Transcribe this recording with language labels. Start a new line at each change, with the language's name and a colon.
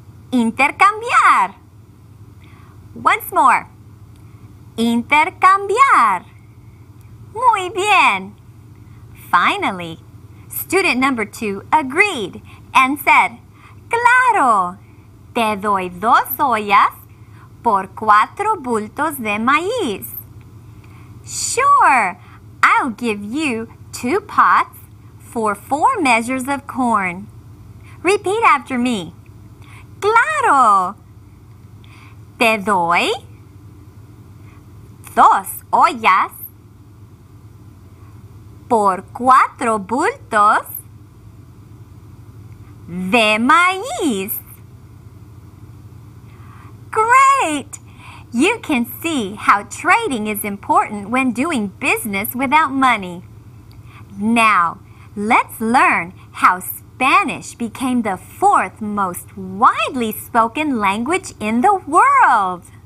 English: Intercambiar. Once more.
Spanish: Intercambiar. Muy bien.
English: Finally, student number two agreed and said, Claro.
Spanish: Te doy dos ollas por cuatro bultos de maíz.
English: Sure, I'll give you two pots for four measures of corn. Repeat after me. Claro.
Spanish: Te doy dos ollas por cuatro bultos de maíz.
English: Great! You can see how trading is important when doing business without money. Now, let's learn how Spanish became the fourth most widely spoken language in the world.